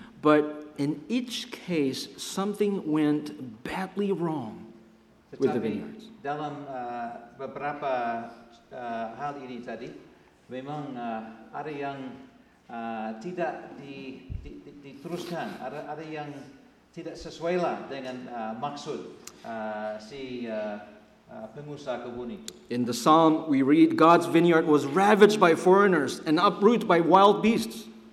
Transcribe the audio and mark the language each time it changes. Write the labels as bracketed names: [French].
[English] But in each case, something went badly wrong with the vineyards. [Indonesian] Dalam beberapa hal ini tadi, memang ada yang tidak diteruskan, ada yang tidak sesuai lah dengan maksud si pengusaha kebun itu. [English] In the psalm, we read God's vineyard was ravaged by foreigners and uprooted by wild beasts.